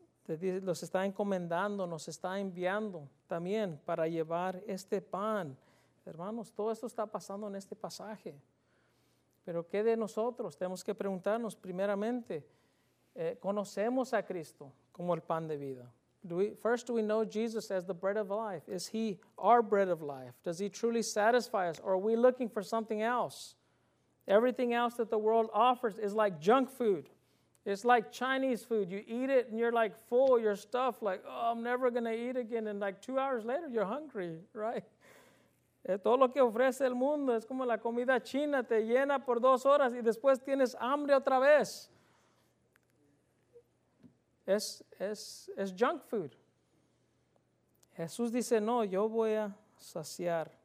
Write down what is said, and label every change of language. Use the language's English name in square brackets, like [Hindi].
[Spanish] los está encomendando, nos está enviando también para llevar este pan. Hermanos, todo esto está pasando en este pasaje. Pero ¿qué de nosotros? Tenemos que preguntarnos primeramente, ¿conocemos a Cristo como el pan de vida? [English] First, do we know Jesus as the bread of life? Is he our bread of life? Does he truly satisfy us? Or are we looking for something else? Everything else that the world offers is like junk food. It's like Chinese food. You eat it and you're like full, you're stuffed, like, oh, I'm never going to eat again. And like 2 hours later, you're hungry, right? [Spanish] Todo lo que ofrece el mundo es como la comida china, te llena por 2 horas y después tienes hambre otra vez. Es junk food. Jesús dice, no, yo voy a saciar.